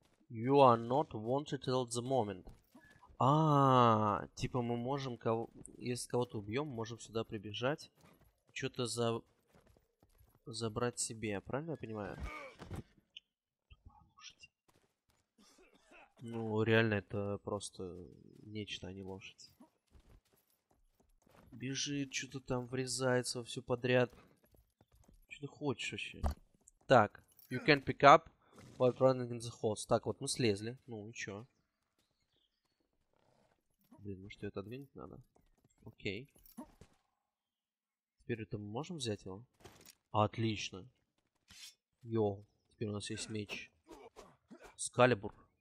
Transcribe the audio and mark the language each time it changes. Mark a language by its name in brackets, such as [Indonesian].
[English] You are not wanted at the moment. [Russian] А-а-а, типа мы можем кого... Если кого-то убьем, можем сюда прибежать. Что-то за... Забрать себе, правильно я понимаю? Ну, реально, это просто нечто, а не лошадь. Бежит, что-то там врезается во всё подряд. Что ты хочешь вообще? Так. [English] You can pick up while running in the horse. [Russian] Так, вот мы слезли. Ну, и чё? Блин, может, её отодвинуть надо? Окей. Теперь это мы можем взять его? Отлично. Йо, теперь у нас есть меч. Скалибур.